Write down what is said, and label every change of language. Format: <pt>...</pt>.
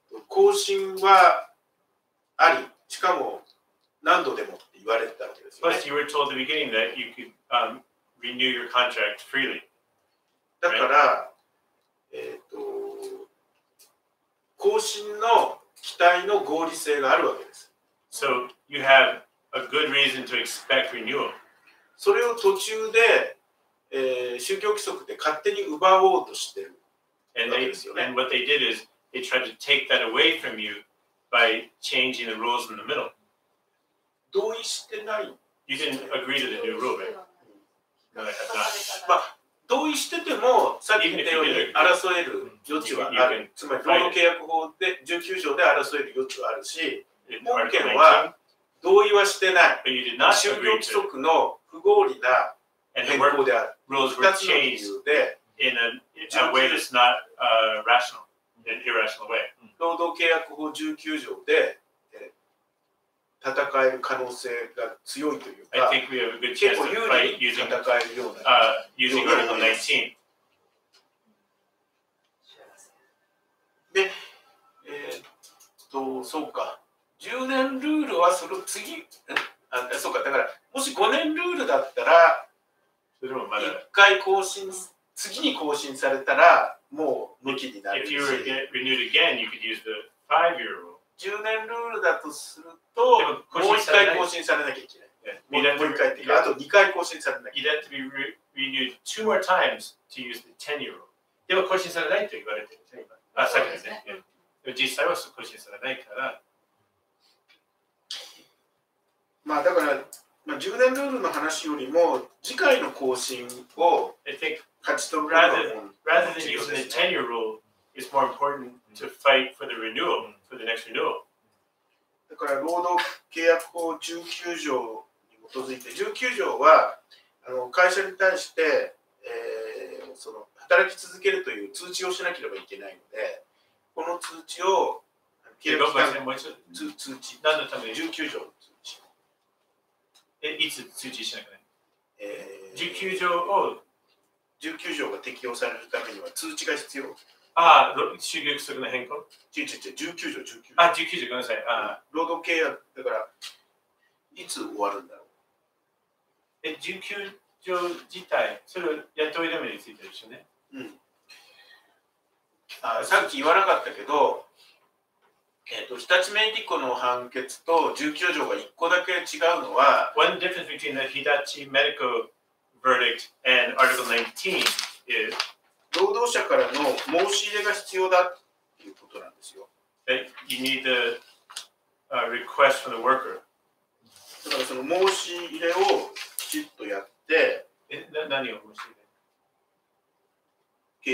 <ja>更新はあり、しかも何度でもって言われてたわけですよね。</ja> <en>Plus, you were told at the beginning that you could, renew your contract freely.</en> <ja>だから、</ja> <en>right?</en> <ja>更新の期待の合理性があるわけです。</ja> <en>So, you have a good reason to expect renewal.</en> <ja>それを途中で、宗教規則で勝手に奪おうとしてるわけですよね。</ja> <en>And what they did is, they tried to take that away from you by changing the rules in the middle.</en> <ja>同意してない。</ja> <en>You didn't agree to the new rule, right? No, I have not.</en> <ja>まあ同意してても、さっき言ったように争える余地はある。つまり、労働契約法で19条で争える余地はあるし、本件は同意はしてない。宗教規則の不合理な変更である。 2つの理由で、</ja> <en>in a way that's not rational, an irrational way.</en> <ja>労働契約法19条で戦える可能性が強いというか、</ja> <en>I think we have a good chance to fight using,</en> <ja>戦えるような、</ja> <en>using Article 19.</en> <ja>で、そうか。 10年ルールはその次、そうか、だから、もし5年ルールだったら、それもまだ 1回更新、次に更新されたら、もう抜きになるし。</ja> <en>If you were renewed again, you could use the 5-year rule.</en> <ja>10年ルールだとすると、もう1回更新されなきゃいけない。</ja> <en>Yeah.</en> <ja>もう1回って、あと2回更新されなきゃいけない。</ja> <en>You'd have to be renewed two more times to use the 10-year rule.</en> <ja>でも更新されないと言われてる。あ、さっきですね。</ja> <en>Yeah.</en> <ja>でも実際は更新されないから。まあだから、まあ、10年ルールの話よりも、次回の更新を勝ち取るのが重要です。</ja> <en>Rather than using the 10-year rule, it's more important to fight for the renewal. For the next renewal.</en> <ja>だから労働契約法19条に基づいて19条はあの会社に対して、その働き続けるという通知をしなければいけないのでこの通知を契約期間の通知何のために 19条の通知えいつ通知しなきゃいけない、19条を 19条が適用されるためには通知が必要ああ、就業規則の変更 19条。あ、19条、ごめんなさい。ああ労働契約、だから、いつ終わるんだろう。え、19条自体、それは雇い止めについてでしょうね。うん。あ、さっき言わなかったけど、日立メイディコの判決と19条が1個だけ違うのは、</ja> <en>One difference between the Hitachi Medical verdict and Article 19 is</en> <ja>労働者からの申し入れが必要だということなんですよ。</ja> <en>You need the request from the worker.</en> <ja>だからその申し入れをきちっとやって、何を申し入れ？</ja>